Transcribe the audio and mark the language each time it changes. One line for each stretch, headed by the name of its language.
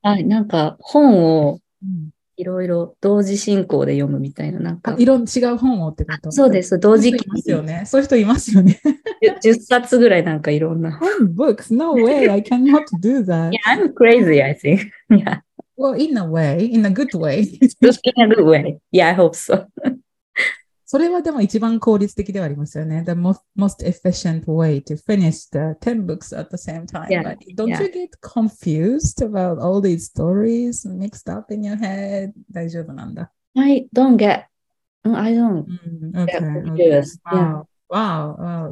Japanese: はい、なんか本をいろいろ同時進行で読むみたいな、なんか。いろんな違う本をってこと。そうです、同時期。いますよね。そういう人いますよね。 10冊ぐらいなんかいろんな。
English: One books, no way, I cannot do that. Yeah, I'm crazy, I think. Yeah. Well, in a way, in a good way. In a good way. Yeah, I hope so.
Japanese: それはでも一番効率的ではありますよね。
English: The most efficient way to finish the 10 books at the same time. Yeah, but don't you get confused about all these stories mixed up in your head?
Japanese: 大丈夫なんだ。
English: I don't. Okay. Wow.